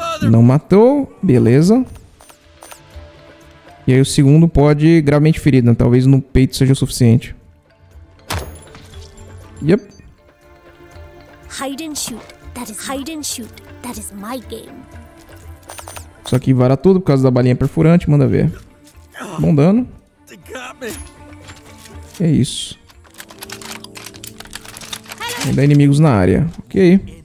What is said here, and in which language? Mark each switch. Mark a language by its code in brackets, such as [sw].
[pt] Não matou, beleza. E aí o segundo pode gravemente ferido, né, talvez no peito seja o suficiente. [en] Yep. Hide and shoot, that is hide and shoot, that is my game. [pt] Só que vara tudo por causa da balinha perfurante. Manda ver. Bom dano. É isso. Ainda há inimigos na área. Ok.